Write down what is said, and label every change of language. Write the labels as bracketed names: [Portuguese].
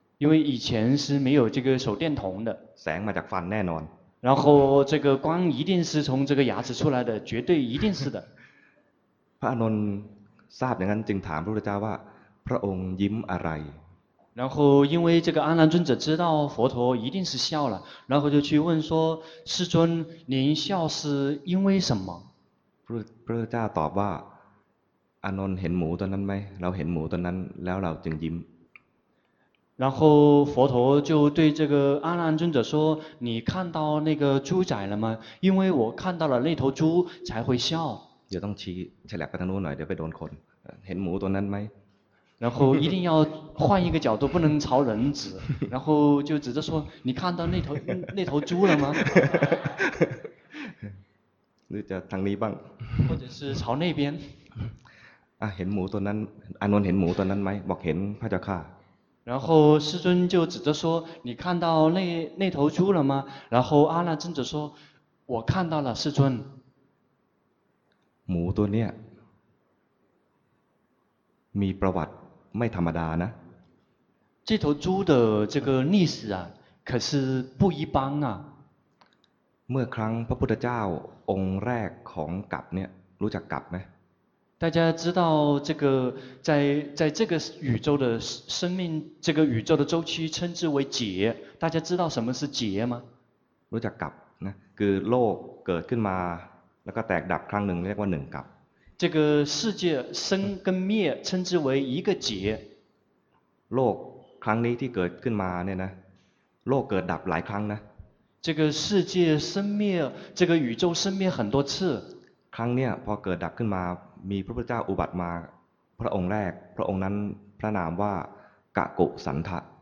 [Chinese] 因为以前是没有这个手电筒的 [Thai] แสงมาจากฟันแน่นอน [Chinese] 然后这个光一定是从这个牙齿出来的绝对一定是的 [Thai] พระอานนท์ทราบอย่างนั้นจึงถามพระพุทธเจ้าว่าพระองค์ยิ้มอะไร [Chinese] 然后因为这个阿难尊者知道佛陀一定是笑了然后就去问说世尊您笑是因为什么 [Thai] พระเจ้าตอบว่าอานนท์เห็นหมูตัวนั้นไหมเราเห็นหมูตัวนั้นแล้วเราจึงยิ้ม [Chinese] 然后佛陀就对这个阿难尊者说你看到那个猪仔了吗因为我看到了那头猪才会笑 [Thai] เดี๋ยวต้องชี้ฉลับไปทางโน้นหน่อยเดี๋ยวไปโดนคนเห็นหมูตัวนั้นไหม [Chinese] 然后一定要换一个角度不能朝人指然后就指着说你看到那头猪了吗你叫唐尼棒或者是朝那边 [Thai] 啊เห็นหมูตัวนั้นอานนท์เห็นหมูตัวนั้นไหมบอกเห็นพระเจ้าค่ะ [Chinese] 然后师尊就指着说你看到那头猪了吗然后阿难尊者说我看到了师尊 [Thai] หมูตัวเนี้ยมีประวัติไม่ธรรมดานะ [Chinese] 这头猪的这个历史啊可是不一般啊 [Thai] เมื่อครั้งพระพุทธเจ้าองค์แรกของกัปเนี่ยรู้จักกัปไหม [Chinese] 大家知道这个在这个宇宙的生命这个宇宙的周期称之为劫大家知道什么是劫吗 [Thai] รู้จักกัปนะคือโลกเกิดขึ้นมาแล้วก็แตกดับครั้งหนึ่งเรียกว่าหนึ่งกัป [Chinese] 这个世界生跟灭称之为一个劫 [Thai] โลกครั้งนี้ที่เกิดขึ้นมาเนี่ยนะโลกเกิดดับหลายครั้งนะ [Chinese] 这个世界生灭这个宇宙生灭很多次 [Thai] ครั้งเนี้ยพอเกิดดับขึ้นมามีพระพุทธเจ้าอุบัติมาพระองค์แรกพระองค์นั้นพระนามว่ากะกุสันทะ